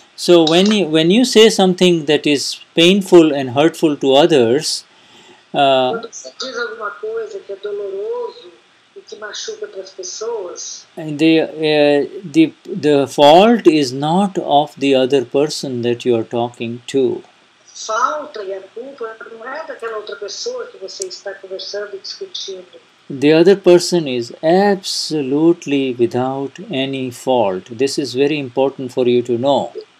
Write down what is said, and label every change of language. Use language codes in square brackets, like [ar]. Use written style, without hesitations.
[en] So when you say something that is painful and hurtful to others, and the fault is not of the other person that you are talking to. [pt] Falta e a culpa não é daquela outra pessoa que você está conversando e discutindo. [en] The other person is absolutely without any fault. This is very important for you to know.